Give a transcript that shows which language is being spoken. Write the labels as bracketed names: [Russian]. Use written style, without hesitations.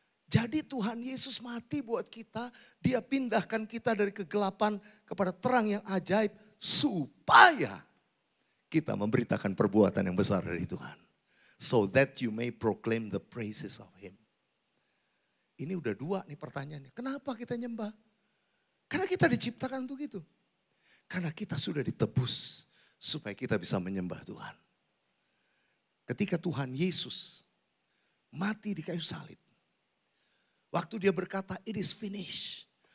[Indonesian] Jadi Tuhan Yesus mati buat kita, dia pindahkan kita dari kegelapan kepada terang yang ajaib, supaya kita memberitakan perbuatan yang besar dari Tuhan. [English] So that you may proclaim the praises of him. [Indonesian] Ini udah dua nih pertanyaannya. Kenapa kita nyembah? Karena kita diciptakan untuk itu. Karena kita sudah ditebus supaya kita bisa menyembah Tuhan. Ketika Tuhan Yesus mati di kayu salib, waktu dia berkata, [English] it is finished.